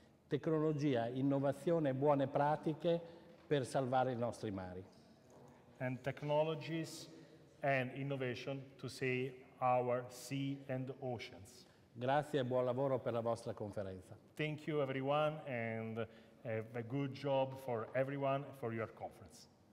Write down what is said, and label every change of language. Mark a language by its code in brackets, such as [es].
[it] Tecnologia, innovazione, buone pratiche per salvare i nostri mari. [en] And technologies and innovation to save our sea and oceans. [it] Grazie e buon lavoro per la vostra conferenza. [en] Thank you everyone and a good job for everyone for your conference.